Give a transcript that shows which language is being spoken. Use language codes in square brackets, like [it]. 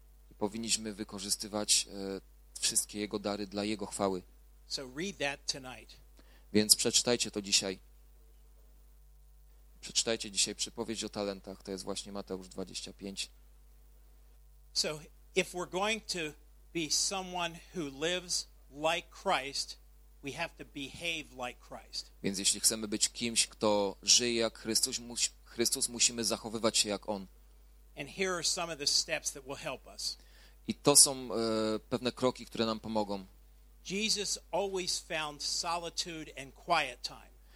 [pl] I powinniśmy wykorzystywać wszystkie Jego dary dla Jego chwały. [en] So read that tonight. [pl] Więc przeczytajcie to dzisiaj. Przeczytajcie dzisiaj przypowieść o talentach. To jest właśnie Mateusz 25. [en] So if we're going to be someone who lives like Christ, we have to behave like Christ. [pl] Więc jeśli chcemy być kimś, kto żyje jak Chrystus, Chrystus, musimy zachowywać się jak On. [en] And here are some of the steps that will help us. [pl] I to są pewne kroki, które nam pomogą. [en] Jesus always found solitude and quiet time.